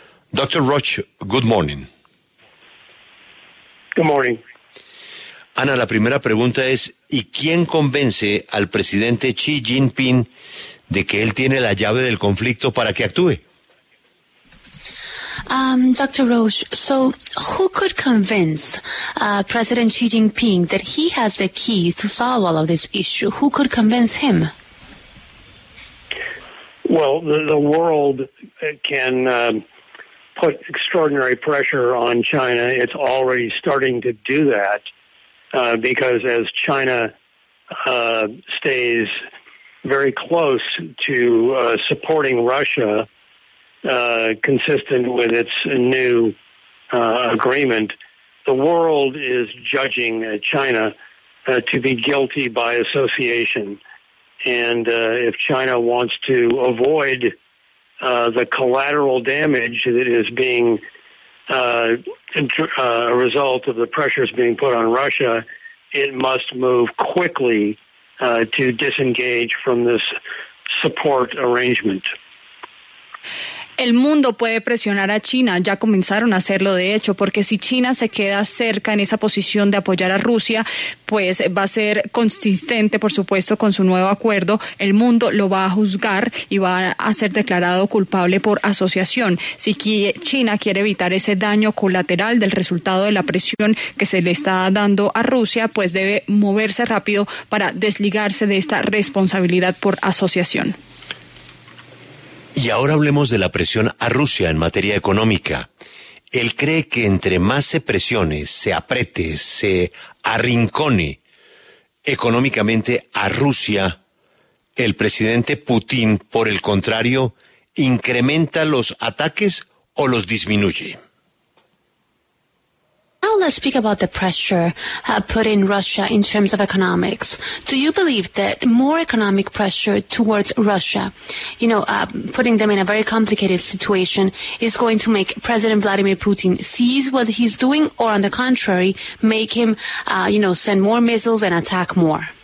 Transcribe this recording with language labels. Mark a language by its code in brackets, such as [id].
[en] Doctor Roach, good morning. Good morning. [es] Ana, la primera pregunta es, ¿y quién convence al presidente Xi Jinping de que él tiene la llave del conflicto para que actúe? [en] Dr. Roach, so who could convince President Xi Jinping that he has the key to solve all of this issue? Who could convince him? Well, the world can put extraordinary pressure on China. It's already starting to do that. Because as China stays very close to supporting Russia, consistent with its new agreement, the world is judging China to be guilty by association. And if China wants to avoid the collateral damage that is being a result of the pressures being put on Russia, it must move quickly to disengage from this support arrangement. [es] El mundo puede presionar a China, ya comenzaron a hacerlo de hecho, porque si China se queda cerca en esa posición de apoyar a Rusia, pues va a ser consistente, por supuesto, con su nuevo acuerdo. El mundo lo va a juzgar y va a ser declarado culpable por asociación. Si China quiere evitar ese daño colateral del resultado de la presión que se le está dando a Rusia, pues debe moverse rápido para desligarse de esta responsabilidad por asociación. Y ahora hablemos de la presión a Rusia en materia económica. Él cree que entre más se presione, se apriete, se arrincone económicamente a Rusia, el presidente Putin, por el contrario, incrementa los ataques o los disminuye. [en] Now let's speak about the pressure put in Russia in terms of economics. Do you believe that more economic pressure towards Russia, you know, putting them in a very complicated situation, is going to make President Vladimir Putin seize what he's doing, or on the contrary, make him, you know, send more missiles and attack more?